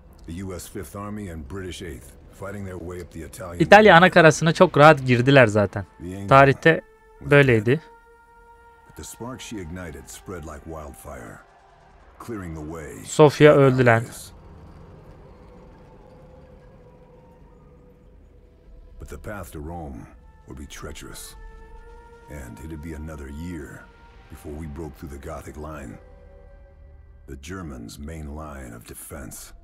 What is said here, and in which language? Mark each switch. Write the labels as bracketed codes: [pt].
[en] The US 5th Army and British 8th fighting their way up the Italian. [tr] İtalya ana karasına çok rahat girdiler zaten. Tarihte böyleydi. [en] The spark she ignited spread like wildfire, clearing the way. [tr] Sofia öldü lan. [en] But the path to Rome would be treacherous, and it'd be another year before we broke through the Gothic line, the Germans' main line of defense.